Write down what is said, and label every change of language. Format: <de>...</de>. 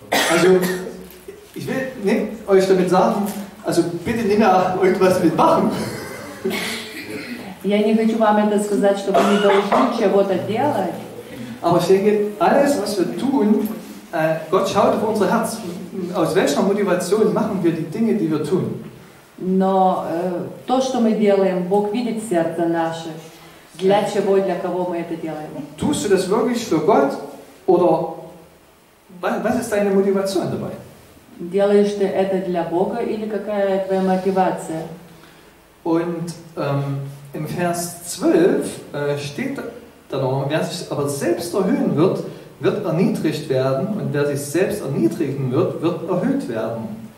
<de>Also, ich will nicht euch damit sagen, also bitte nicht mehr irgendwas mitmachen.</de> <ru>Я не хочу вам это сказать, чтобы не должны чего-то делать.</ru> <de>Aber ich denke, alles, was wir tun, Gott schaut auf unser Herz. Aus welcher Motivation machen wir die Dinge, die wir tun?</de> <ru>Но то, что мы делаем, Бог видит сердце наше. Для чего и для кого мы это делаем?</ru> <de>Tust du das wirklich für Gott oder was ist deine Motivation dabei?</de> <ru>Делаешь ты это для Бога или какая твоя мотивация?</ru> <de>Und im Vers 12 steht dann noch, wer sich aber selbst erhöhen wird, wird erniedrigt werden, und wer sich selbst erniedrigen wird, wird erhöht werden.</de>